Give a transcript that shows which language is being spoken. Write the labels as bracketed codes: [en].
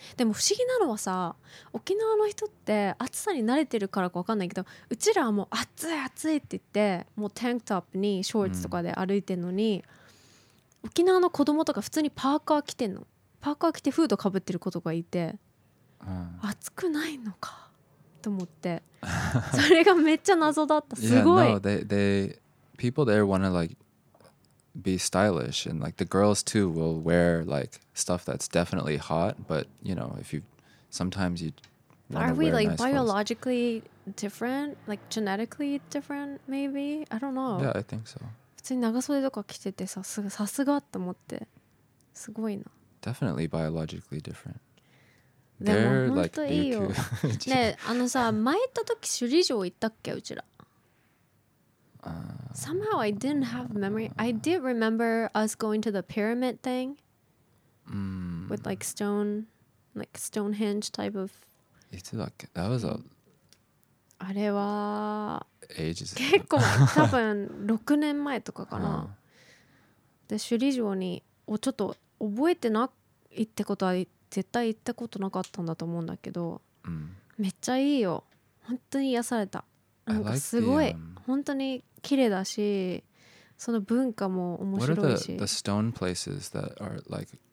[ja] でも不思議なのはさ、沖縄の人って暑さに慣れてるからか分かんないけど、うちらはもう暑い暑いって言ってもうタンクトップにショーツとかで歩いてんのに、沖縄の子供とか普通にパーカー着てんの、パーカー着てフードかぶってる子とかいて、暑くないのかとと思って。それがめっちゃ謎だった。すごい。 [en] Yeah, no, they people there want to like be stylish and like the girls too will wear like stuff that's definitely hot, but you know, if you sometimes you are we like nice biologically clothes. Different? Like genetically different maybe? I don't know. Yeah, I think so. [ja] 普通に長袖とか着ててさすがって思って。すごいな。 [en] Definitely biologically different. [ja] でも本当いいよ。ねえ、あのさ、前行った時首里城行ったっけうちら。 [en] Somehow I didn't have memory. I did remember us going to the pyramid thing. With like Stonehenge type of... [ja] いつだっけ? [en] That was a... [ja] あれは [en] ages [ja] 結構多分6年前とかかな、で首里城にちょっと覚えてないってことは絶対行ったことなかったんだと思うんだけど、めっちゃいいよ本当に癒されたなんかすごい、本当に綺麗だしその文化も面白いし [en] What are the stone places that are like